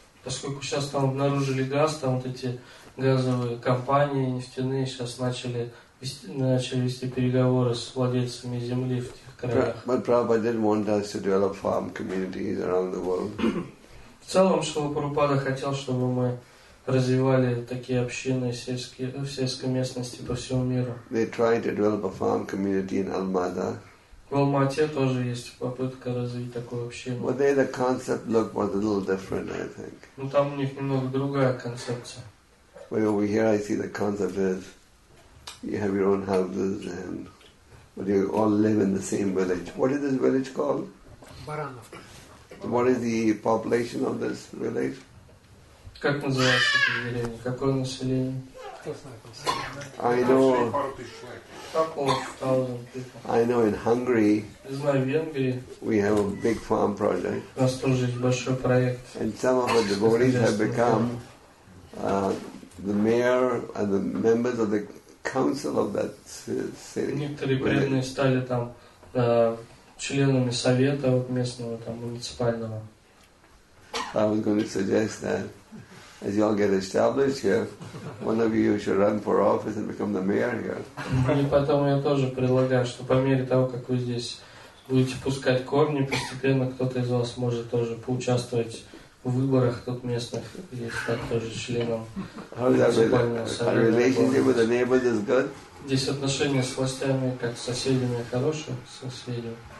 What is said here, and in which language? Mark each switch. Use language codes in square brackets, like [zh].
[ru] Поскольку сейчас там обнаружили газ, там вот эти газовые компании нефтяные сейчас начали вести переговоры с владельцами земли в тех краях. [en] But Prabhupada didn't want us to develop farm communities around the world. [ru] В целом, Шрила Прабхупада хотел, чтобы мы развивали такие общины в сельской местности по всему миру. [en] They tried to develop a farm community in Almada. [ru] В Алмате тоже есть попытка развить такую общину. [en] But there the concept looked was a little different, I think. [ru] Но там у них немного другая концепция. [en] But over here I see the concept is you have your own houses and but you all live in the same village. What is this village called? [ru] Барановка. [en] What is the population of this village? [ru] Как называется это деревня? Какое население? [en] I know. Couple of thousand people. I know in Hungary. [ru] Знаю, в Венгрии. [en] We have a big farm project. [ru] У нас тоже есть большой проект. [en] And some of our devotees have become the mayor and the members of the council of that city. [ru] Некоторые преданные стали там членами совета вот местного там муниципального. [en] I was going to suggest that. As you all get established here, one of you should run for office and become the mayor here. [ru] И потом я тоже предлагаю, что по мере того, как вы здесь будете пускать корни, постепенно кто-то из вас может тоже поучаствовать в выборах тут местных и стать тоже членом муниципального совета. Здесь отношения с властями, как с соседями, хорошие, с соседями.